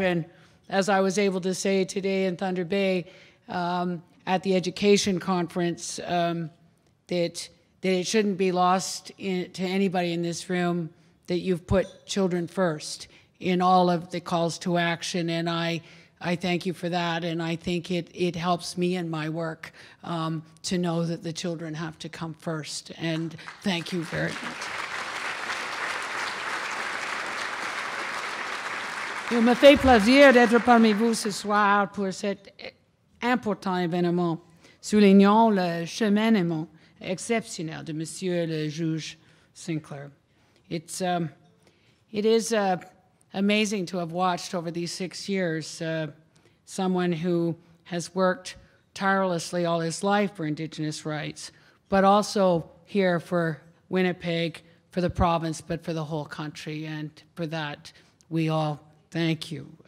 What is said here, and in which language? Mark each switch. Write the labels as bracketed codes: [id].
[en] And as I was able to say today in Thunder Bay at the education conference, that it shouldn't be lost to anybody in this room that you've put children first in all of the calls to action, and I thank you for that, and I think it helps me in my work to know that the children have to come first, and thank you very much. [fr] Il me fait plaisir d'être parmi vous ce soir pour cet important événement, soulignant le cheminement exceptionnel de Monsieur le Juge Sinclair. [en] It is amazing to have watched over these 6 years someone who has worked tirelessly all his life for Indigenous rights, but also here for Winnipeg, for the province, but for the whole country, and for that we all thank you.